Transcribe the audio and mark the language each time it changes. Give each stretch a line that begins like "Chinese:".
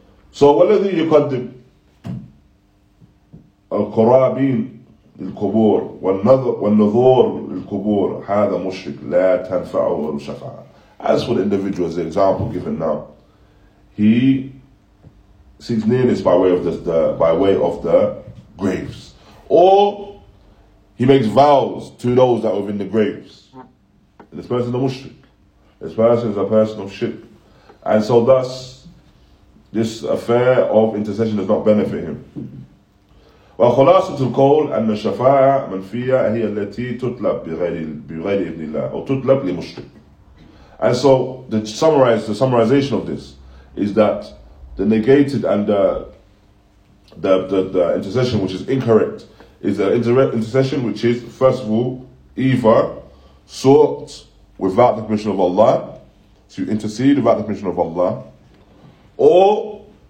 English: So, whether you condemn
Arabic: القرابين للقبور والنظور للقبور هذا مشرك لا تنفعه الشفاعة.
English: As for the individual, as the example given now, he seeks nearness by way of the graves, or he makes vows to those that are within the graves. And this person is a mushrik. This person is a person of shirk, and so thus this affair of intercession does not benefit him.
Arabic: وخلاصة القول أن الشفاعة منفية هي التي تطلب بغير إذن الله أو تطلب لمشرك.
English: And so the summarization of this is that the negated and the intercession which is incorrect is the intercession which is first of all either sought without the permission of Allah, to intercede without the permission of Allah, or